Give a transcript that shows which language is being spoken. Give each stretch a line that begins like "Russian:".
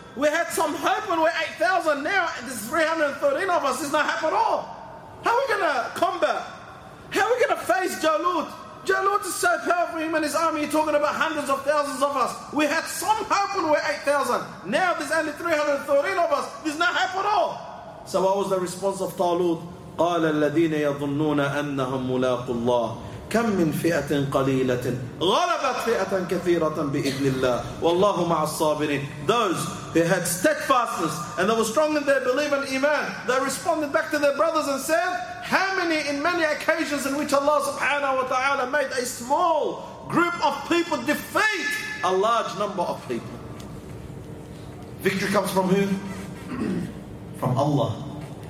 English: We had some hope when we're 8,000. Now there's 313 of us. It's not hope at all. How are we going to combat? How are we going to face Jalut? Jalut is so powerful, him and his army. You're talking about hundreds of thousands of us. We had some hope when we're 8,000. Now there's only 313 of us. There's no hope at all. So what was the response of Talut?
Arabic: قال الذين يظنون أنهم ملاقوا الله كم من فئة قليلة غلبت فئة كثيرة بإذن الله والله مع الصابرين.
English: Those who had steadfastness and they were strong in their belief and iman, they responded back to their brothers and said, how many in many occasions in which Allah subhanahu wa ta'ala made a small group of people defeat a large number of people. Victory comes from who? From Allah.